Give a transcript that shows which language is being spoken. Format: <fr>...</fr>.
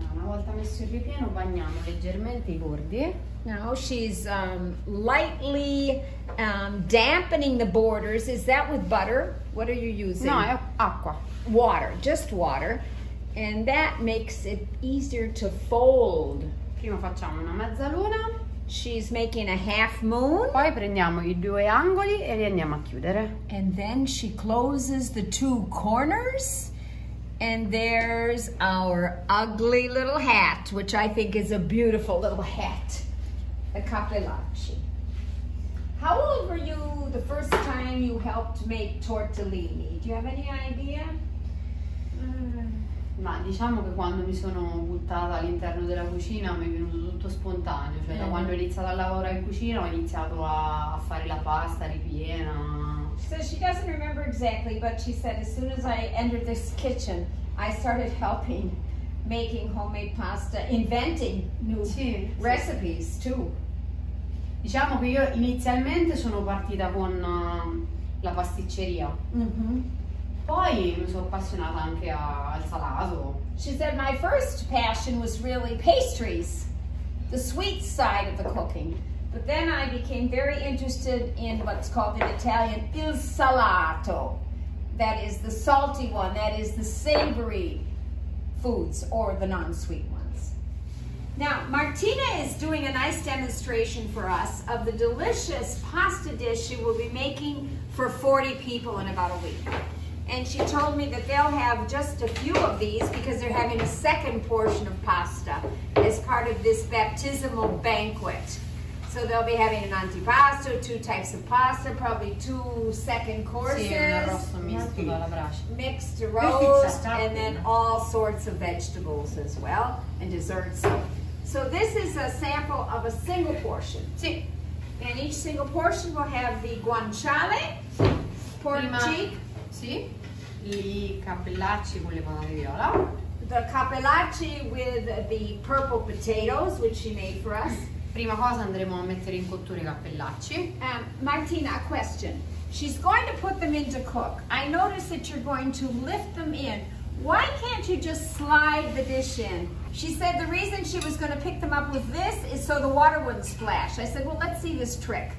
<it>Una volta messo il ripieno, bagniamo leggermente I bordi.</it> <en>Now she's lightly dampening the borders. Is that with butter? What are you using?</en> <it>No, acqua.</it> <en>Water, just water. And that makes it easier to fold.</en> <it>Prima facciamo una mezzaluna.</it> <en>She's making a half moon.</en> <it>Poi prendiamo I due angoli e li andiamo a chiudere.</it> <en>And then she closes the two corners. And there's our ugly little hat, which I think is a beautiful little hat. The cappellacci. How old were you the first time you helped make tortellini? Do you have any idea?</en> <it>Ma diciamo che quando mi sono buttata all'interno della cucina mi è venuto tutto spontaneo, cioè da quando ho iniziato a lavorare in cucina ho iniziato a fare la pasta ripiena.</it> <en>So she doesn't remember exactly, but she said as soon as I entered this kitchen I started helping, making homemade pasta, inventing new recipes too.</en> <it>Diciamo che io inizialmente sono partita con la pasticceria. Poi mi sono appassionata anche al salato.</it> <en>She said my first passion was really pastries, the sweet side of the cooking. But then I became very interested in what's called in Italian il salato. That is the salty one, that is the savory foods or the non-sweet ones. Now, Martina is doing a nice demonstration for us of the delicious pasta dish she will be making for 40 people in about a week. And she told me that they'll have just a few of these because they're having a second portion of pasta as part of this baptismal banquet. So they'll be having an antipasto, two types of pasta, probably two second courses.</en> <it>Sì, un arrosto misto dalla brace.</it> <en>Mixed rolls, and then all sorts of vegetables as well, and desserts. So this is a sample of a single portion.</en> <it>Sì.</it> <en>And each single portion will have the guanciale, pork</en> <it>Prima,</it> <en>cheek.</en> <it>Sì. I cappellacci con le patate viola.</it> <en>The cappellacci with the purple potatoes, which she made for us.</en> <it>Prima cosa andremo a mettere in cottura I cappellacci.</it> <en>Martina, a question. She's going to put them in to cook. I noticed that you're going to lift them in. Why can't you just slide the dish in? She said the reason she was going to pick them up with this is so the water wouldn't splash. I said, well, let's see this trick.</en>